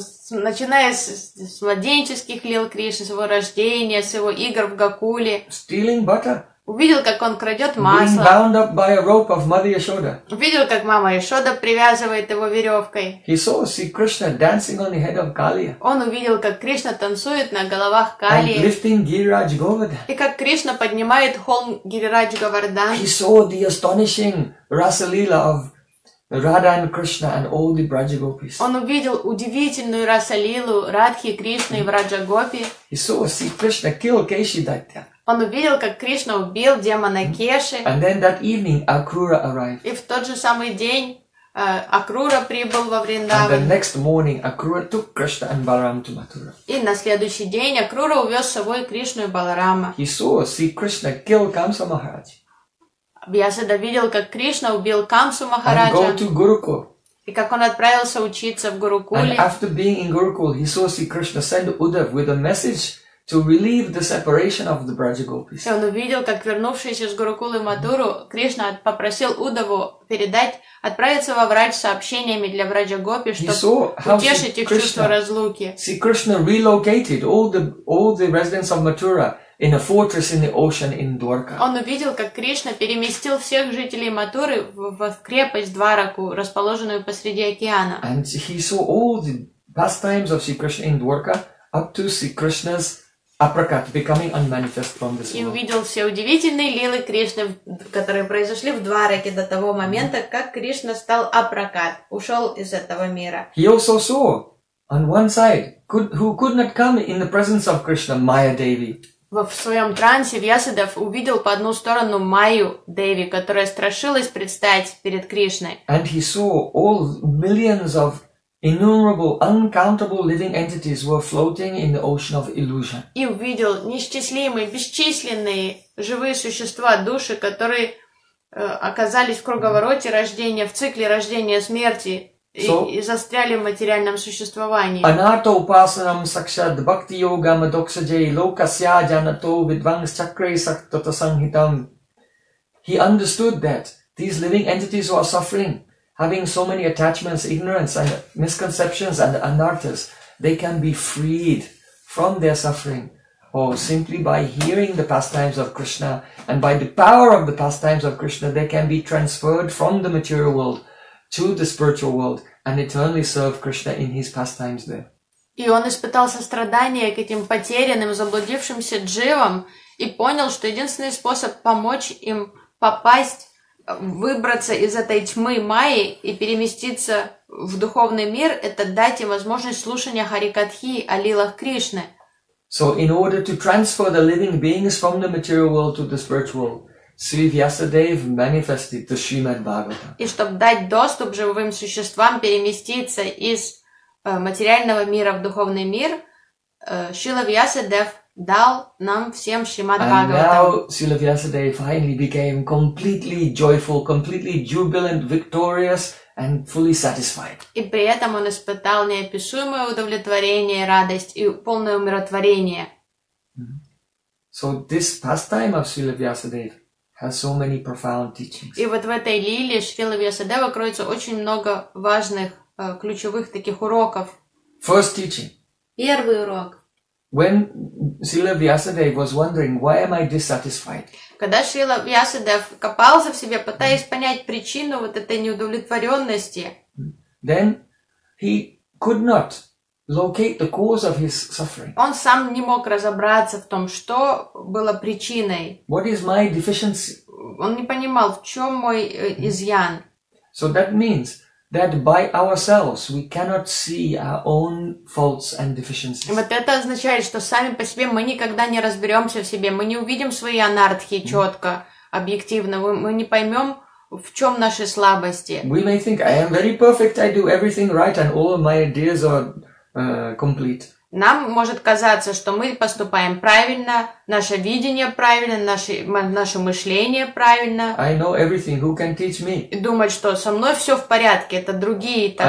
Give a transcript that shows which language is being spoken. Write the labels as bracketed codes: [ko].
[ru] Начиная с младенческих лил Кришны, с его рождения, с его игр в Гокуле. [en] Stealing butter. [ru] Увидел, как он крадет масло. [en] Being bound up by a rope of Mother Yashoda. [ru] Увидел, как мама Яшода привязывает его веревкой. [en] He saw Sri Krishna dancing on the head of Kaliya. [ru] Он увидел, как Кришна танцует на головах Калии. [en] And lifting Giriraj Govardhan. [ru] И как Кришна поднимает холм Гирирадж Говардан. [en] He saw the astonishing Rasalila of Radha and Krishna and all the Brajagopis. [ru] Он увидел удивительную Расалилу Радхи, Кришны и Враджагопи. [en] He saw Sri Krishna kill Keshi Daitya. [ru] Он увидел, как Кришна убил демона Кеши. [en] And then that evening, Акрура arrived. [ru] И в тот же самый день Акрура прибыл во Вриндаван. [en] And the next morning, Акрура took Krishna and Balaram to Mathura. [ru] И на следующий день Акрура увез с собой Кришну и Баларама. [en] He saw Sri Krishna kill Kamsa Maharaj. [ru] Вьясада видел, как Кришна убил Камсу Махараджа. [en] And go to Gurukul. [ru] И как он отправился учиться в Гурукуле. [en] And after being in Gurukul, he saw Sri Krishna send Uddhava with a message to relieve the separation of the Braja Gopis. [ru] И он увидел, как вернувшись из Гурукулы Матуру, Кришна попросил Удаву передать, отправиться во Врач с сообщениями для Враджа Гопи, чтобы утешить их чувство разлуки. [en] See, Krishna relocated all the residents of Mathura in a fortress in the ocean in Dwarka. [ru] Он увидел, как Кришна переместил всех жителей Матуры в крепость Двараку, расположенную посреди океана. [en] And he saw all the pastimes of Sri Krishna in Dwarka up to Sri Krishna's Апракат, becoming unmanifest from this world. [ru] И увидел все удивительные лилы Кришны, которые произошли в Двараке до того момента, как Кришна стал апракат, ушел из этого мира. [en] He also saw on one side who could not come in the presence of Krishna, Maya Devi. [ru] В своем трансе Вьясадев увидел по одну сторону Майю Деви, которая страшилась предстать перед Кришной. [en] And he saw all millions of innumerable, uncountable living entities were floating in the ocean of illusion. [ru] И увидел неисчислимые, бесчисленные живые существа, души, которые оказались в круговороте рождения, в цикле рождения смерти и застряли в материальном существовании. [sa] Анато упасанам сакшат бхакти йога мадоксаджей локасья джанато видвангс чакре сактата санхитам. [en] He understood that these living entities were suffering. Having so many attachments, ignorance, and misconceptions, and anarthas, they can be freed from their suffering, simply by hearing the pastimes of Krishna, and by the power of the pastimes of Krishna, they can be transferred from the material world to the spiritual world and eternally serve Krishna in his pastimes there. [ru] И он испытал сострадание к этим потерянным, заблудившимся дживам и понял, что единственный способ помочь им попасть выбраться из этой тьмы Майи и переместиться в духовный мир, это дать им возможность слушания Харикатхи о лилах Кришны. [en] So in order to transfer the living beings from the material world to the spiritual, Sri Vyasadeva manifested the Srimad Bhagavatam. [ru] И чтобы дать доступ живым существам переместиться из материального мира в духовный мир, Шрила Вьясадев дал нам всем Шримад Бхагаватам. [en] And now Srila Vyasadeva finally became completely joyful, completely jubilant, victorious, and fully satisfied. [ru] И при этом он испытал неописуемое удовлетворение, радость и полное умиротворение. [en] So this pastime of Srila Vyasadeva has so many profound teachings. [ru] И вот в этой лиле Шрила Вьясадева кроется очень много важных, ключевых таких уроков. [en] First teaching. [ru] Первый урок. [en] When Srila Vyasadeva was wondering, why am I dissatisfied? [ru] Когда Шрила Вьясадев копался в себе, пытаясь понять причину вот этой неудовлетворенности, [en] then he could not locate the cause of his suffering. [ru] Он сам не мог разобраться в том, что было причиной. [en] What is my deficiency? [ru] Он не понимал, в чем мой изъян. [en] So that means that by ourselves we cannot see our own faults and deficiencies. [ru] И вот это означает, что сами по себе мы никогда не разберемся в себе, мы не увидим свои анардхи четко, объективно, мы не поймем, в чем наши слабости. [en] We may think I am very perfect, I do everything right, and all of my ideas are complete. [ru] Нам может казаться, что мы поступаем правильно, наше видение правильно, наше мышление правильно. [en] I know everything. Who can teach me? [ru] Думать, что со мной все в порядке, это другие так,